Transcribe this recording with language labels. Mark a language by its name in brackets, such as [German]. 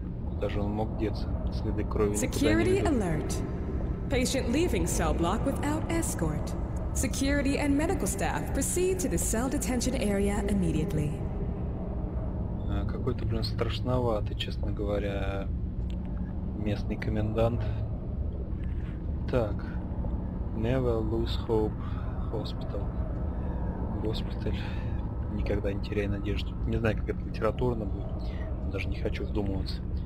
[Russian] Куда же он мог деться? Следы крови никуда не ведут. [English] Patient leaving cell block without escort. Security and medical staff proceed to the cell detention area immediately. [Russian] Какой-то, блин, страшноватый, честно говоря, местный комендант. Так, Never Lose Hope Hospital. Госпиталь. никогда не теряй надежду. Не знаю, как это литературно будет. Даже не хочу вдумываться.